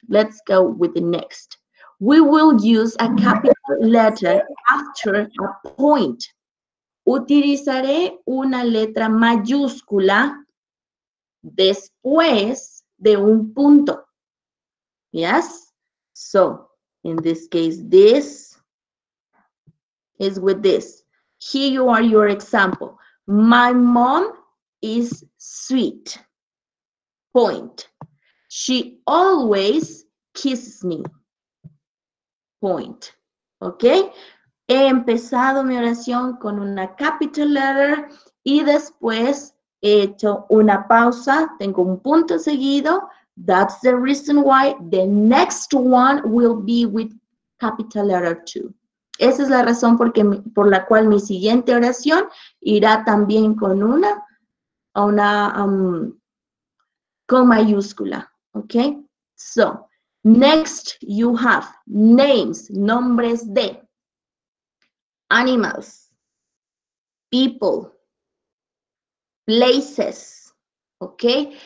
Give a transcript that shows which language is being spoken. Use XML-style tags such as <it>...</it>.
<en>Let's go with the next. We will use a capital letter after a point.</en> <es>Utilizaré una letra mayúscula después de un punto.</es> <en>Yes? So, in this case, this is with this. Here you are your example. My mom is sweet. Point. She always kisses me. Point. Okay?</en> <es>He empezado mi oración con una</es> <en>capital letter</en> <es>y después he hecho una pausa. Tengo un punto seguido.</es> <en>That's the reason why the next one will be with capital letter too.</en> <es>Esa es la razón por la cual mi siguiente oración irá también con con mayúscula.</es> <en>Okay? So, next you have names,</en> <es>nombres de</es> <en>animals, people, places, okay?</en>